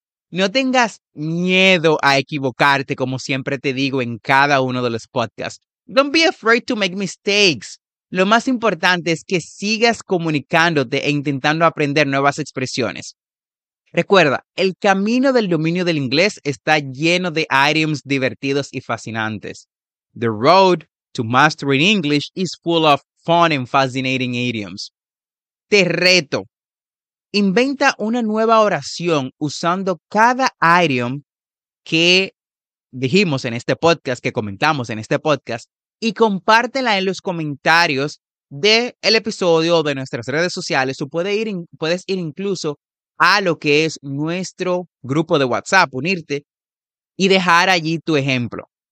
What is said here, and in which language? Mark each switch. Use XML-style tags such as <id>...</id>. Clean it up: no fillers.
<es>No tengas miedo a equivocarte, como siempre te digo en cada uno de los podcasts.</es> <en>Don't be afraid to make mistakes.</en> <es>Lo más importante es que sigas comunicándote e intentando aprender nuevas expresiones. Recuerda, el camino del dominio del inglés está lleno de idioms divertidos y fascinantes.</es> <en>The road to mastering English is full of fun and fascinating idioms.</en> <es>Te reto. Inventa una nueva oración usando cada idiom que dijimos en este podcast, que comentamos en este podcast, y compártela en los comentarios del episodio o de nuestras redes sociales. Tú puedes ir incluso a lo que es nuestro grupo de WhatsApp, unirte y dejar allí tu ejemplo.</es>